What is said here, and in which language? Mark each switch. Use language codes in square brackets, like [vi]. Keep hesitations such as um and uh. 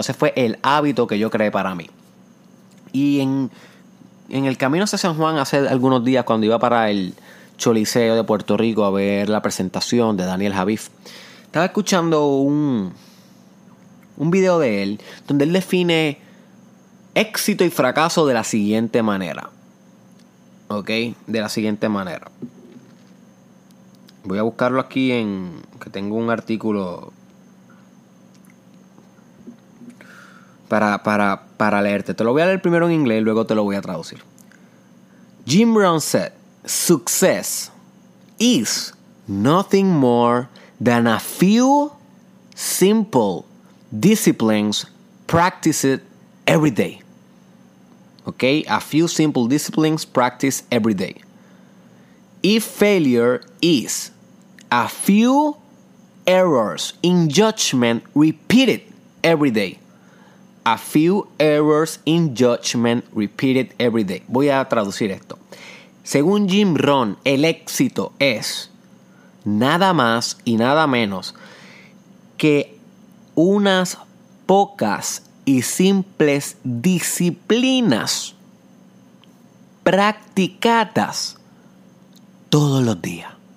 [es] Ese fue el hábito que yo creé para mí. Y en, en el camino hacia San Juan hace algunos días cuando iba para el Choliseo de Puerto Rico a ver la presentación de Daniel Javif, estaba escuchando un, un video de él donde él define éxito y fracaso de la siguiente manera. ¿ok? De la siguiente manera. Voy a buscarlo aquí en... que tengo un artículo para, para, para leerte. Te lo voy a leer primero en inglés y luego te lo voy a traducir. [en] Jim Brown said, Success is nothing more than a few simple disciplines practiced every day. ¿ok? A few simple disciplines practiced every day. If failure is a few errors in judgment repeated every day. A few errors in judgment repeated every day. [es] Voy a traducir esto. Según Jim Ron, el éxito es nada más y nada menos que unas pocas y simples disciplinas practicadas todos los días.